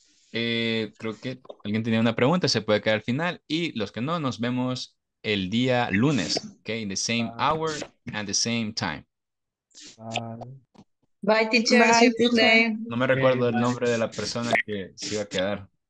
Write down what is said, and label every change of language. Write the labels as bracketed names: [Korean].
[Spanish] Creo que alguien tenía una pregunta, se puede quedar al final. Y los que no, nos vemos el día lunes. [English] Ok, in the same hour and the same time. Bye, teacher. Bye, teacher. [Spanish] No me recuerdo el nombre de la persona que se iba a quedar.